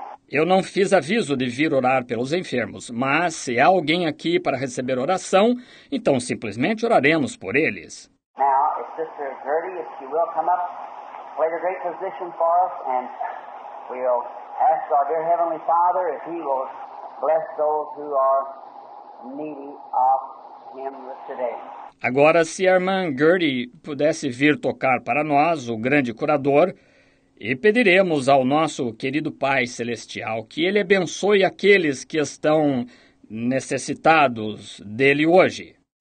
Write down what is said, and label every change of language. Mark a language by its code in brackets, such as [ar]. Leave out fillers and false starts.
[pt] Eu não fiz aviso de vir orar pelos enfermos, mas se há alguém aqui para receber oração, então simplesmente oraremos por eles. [en] Now, if Sister Gertie, if she will come up, play the great position for us, and we'll ask our dear Heavenly Father if He will bless those who are needy of Him today. [pt] Agora, se a irmã Gertie pudesse vir tocar para nós, o grande curador, e pediremos ao nosso querido Pai Celestial que Ele abençoe aqueles que estão necessitados dEle hoje.